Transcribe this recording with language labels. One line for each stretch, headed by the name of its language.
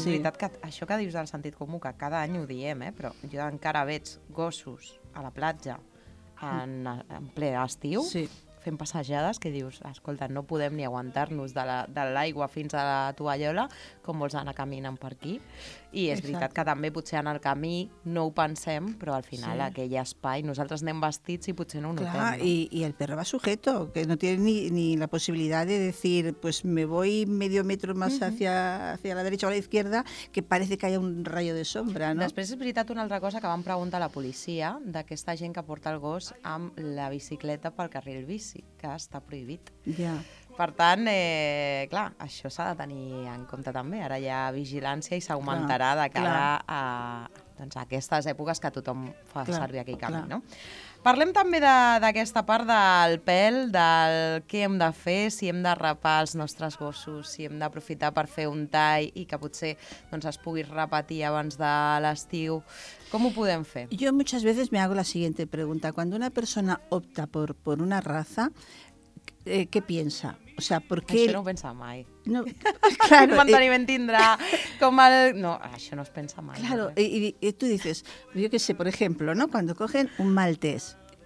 Catalan: És veritat que això que dius del sentit comú, que cada any ho diem, però jo encara veig gossos a la platja en ple estiu, sí, fent passejades, que dius, escolta, no podem ni aguantar-nos de l'aigua fins a la tovallola, com vols anar caminant per aquí? I és exacte, veritat que també potser en el camí no ho pensem, però al final sí, aquell espai, nosaltres anem vestits i potser no ho notem. Clar, i
Spanish: el perro va sujeto,
Catalan: que no té ni la possibilitat de dir,
Spanish: pues me voy medio metro más hacia la derecha o la izquierda, que parece que haya un rayo de sombra, no?
Catalan: Després és veritat una altra cosa que vam preguntar a la policia, d'aquesta gent que porta el gos amb la bicicleta pel carril bici, que està prohibit. Ja, yeah. Per tant, clar, això s'ha de tenir en compte també. Ara hi ha vigilància i s'augmentarà de cara a, doncs, a aquestes èpoques que tothom fa servir aquell camí, no? Parlem també d'aquesta part del pèl, del què hem de fer, si hem de rapar els nostres gossos, si hem d'aprofitar per fer un tall i que potser doncs, es pugui repetir abans de l'estiu. Com ho podem fer? Jo moltes vegades
Spanish: me hago la siguiente pregunta. Quan una persona opta por una raza, ¿qué piensa? O sea, ¿por qué?
Catalan: Això no ho pensa mai.
Spanish: No, claro,
Catalan: ¿qué manteniment tindrà? Com el... No, això no es pensa mai.
Spanish: Claro, no. Y tú dices, yo qué sé, por ejemplo, ¿no? Cuando cogen un maltés,